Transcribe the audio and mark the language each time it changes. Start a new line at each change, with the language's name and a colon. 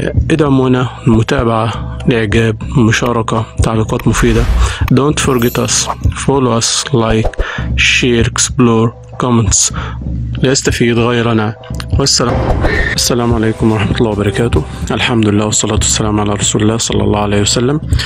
Arabic: ادعمونا متابعة لإعجاب مشاركة تعليقات مفيدة.
English: Don't forget us, follow us, like, share, explore, comments.
Arabic: لا يستفيد غيرنا. والسلام عليكم ورحمة الله وبركاته. الحمد لله والصلاة والسلام على رسول الله صلى الله عليه وسلم.